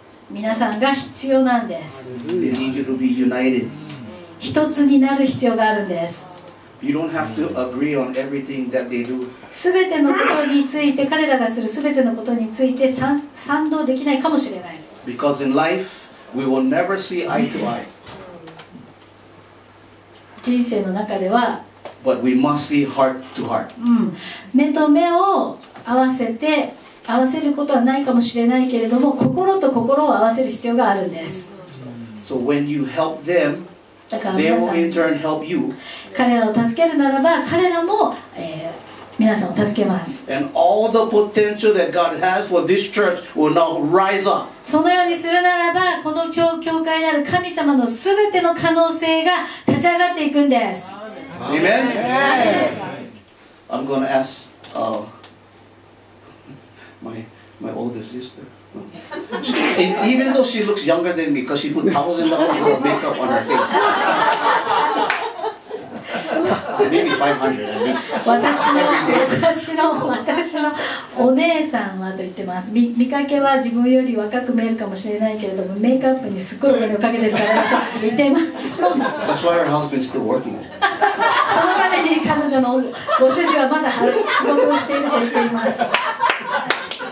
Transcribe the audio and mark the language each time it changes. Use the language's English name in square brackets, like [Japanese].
[Japanese] 皆さんが必要なんです。 [English] They need you to be united. [Japanese] 一つになる必要があるんです。 [English] You don't have to agree on everything that they do. [Japanese] 全てのことについて彼らがする全てのことについて賛同できないかもしれない。 [English] Because in life,We will never see eye to eye. [Japanese] 人生の中では [English] But we must see heart to heart.、 [Japanese] 目と目を合わせて合わせることはないかもしれないけれども心と心を合わせる必要があるんです、 [English] So when you help them, they will in turn help you. [Japanese] 彼らを助けるならば彼らも、皆さんを助けます。 [English] And all the potential that God has for this church will now rise up. [Japanese] そのようにするならば、この教会である神様のすべての可能性が立ち上がっていくんです。 [English] Amen. Amen. I'm going to ask my older sister. Even though she looks younger than me, because she put $1,000 of makeup on her face. Maybe [Japanese] 私のお姉さんはと言ってます。見かけは自分より若く見えるかもしれないけれども、メイクアップにすごいお金をかけてるからと言ってます。 [English] That's why her husband's still working. [Japanese] そのために彼女のご主人はまだ仕事をしていると言っています。